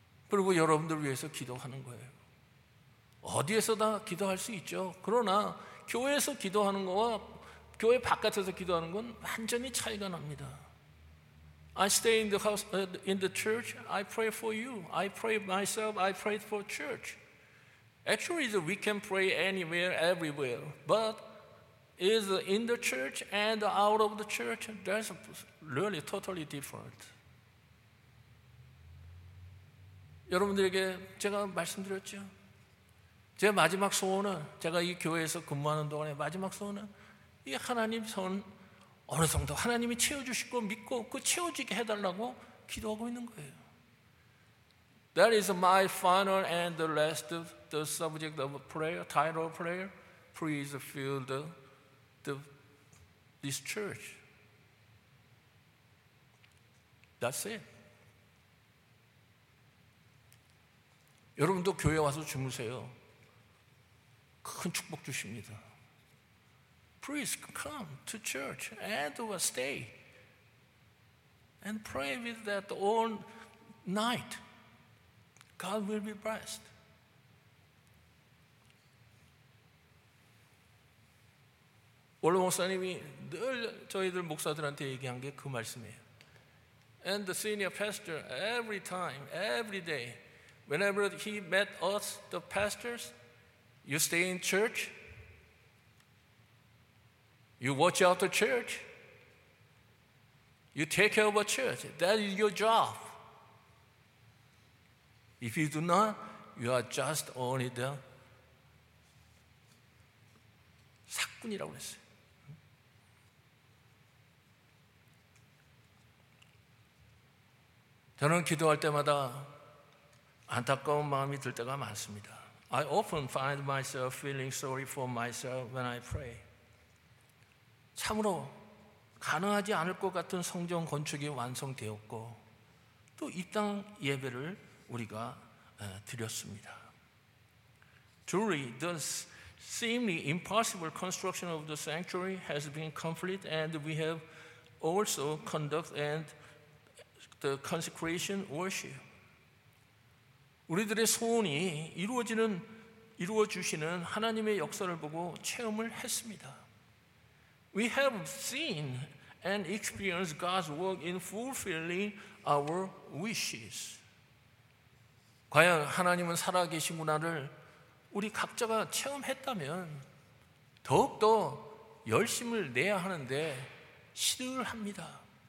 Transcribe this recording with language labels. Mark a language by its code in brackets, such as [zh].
[ko] 그리고 여러분들 위해서 기도하는 거예요. 어디에서나 기도할 수 있죠. 그러나 교회에서 기도하는 거와 교회 바깥에서 기도하는 건 완전히 차이가 납니다. [en] I stay in the house, in the church. I pray for you. I pray myself. I pray for church. Actually, we can pray anywhere, everywhere. But is in the church and out of the church, that's really totally different. [ko] 여러분들에게 제가 말씀드렸죠. 제 마지막 소원은 제가 이 교회에서 근무하는 동안에 마지막 소원은 이 하나님 손 어느 정도 하나님이 채워주실 거 믿고 그 채워지게 해달라고 기도하고 있는 거예요. [en] That is my final and the last of the subject of prayer, title of prayer. Please fill this church. That's it. [ko] 여러분도 교회 와서 주무세요. 큰 축복 주십니다. [en] Please come to church and stay and pray with that all night. God will be blessed. [ko] 원로 목사님이 늘 저희들 목사들한테 얘기한 게 그 말씀이에요. [en] And the senior pastor, every time, every day, whenever he met us, the pastors, you stay in church. You watch out the church. You take care of a church. That is your job. If you do not, you are just only the [ko] 사꾼이라고 했어요. 저는 기도할 때마다 안타까운 마음이 들 때가 많습니다. [en] I often find myself feeling sorry for myself when I pray. [ko] 참으로 가능하지 않을 것 같은 성전 건축이 완성되었고 또 이 땅 예배를 우리가 드렸습니다. [en] Truly, the seemingly impossible construction of the sanctuary has been complete and we have also conducted and the consecration worship. [ko] 우리들의 소원이 이루어지는 이루어주시는 하나님의 역사를 보고 체험을 했습니다. [en] We have seen and experienced God's work in fulfilling our wishes. [ko] 과연 하나님은 살아계신구나를 우리 각자가 체험했다면 더욱더 열심을 내야 하는데 시도를 합니다.